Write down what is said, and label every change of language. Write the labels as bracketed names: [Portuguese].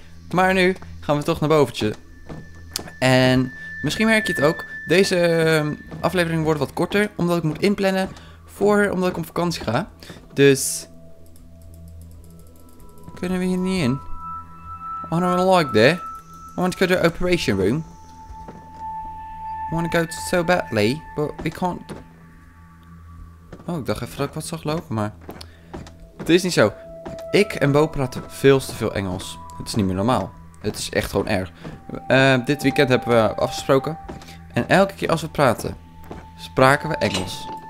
[Dutch] Maar nu gaan we toch naar boventje. En misschien merk je het ook, deze aflevering wordt wat korter, omdat ik moet inplannen omdat ik op vakantie ga. Dus kunnen we hier niet in? [English] I don't like that. I want to go to the operation room. I want to go so badly, but we can't. [Dutch] Oh, ik dacht even dat ik wat zag lopen, maar het is niet zo. Ik en Bo praten veel te veel Engels. Het is niet meer normaal. Het is echt gewoon erg. Dit weekend hebben we afgesproken. En elke keer als we praten, spraken we Engels.